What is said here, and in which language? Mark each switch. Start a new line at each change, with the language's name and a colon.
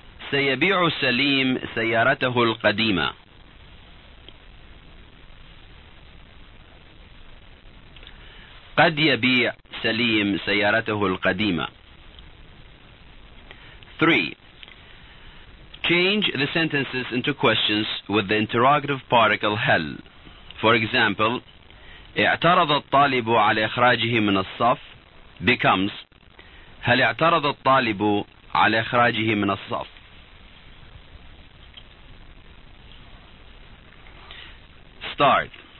Arabic: سيبيع سليم سيارته القديمة. قد يبيع سليم سيارته القديمة.
English: 3. Change the sentences into questions with the interrogative particle هل. For example,
Arabic: اعترض الطالب على إخراجه من الصف
English: becomes
Arabic: هل اعترض الطالب على إخراجه من الصف.
English: Start.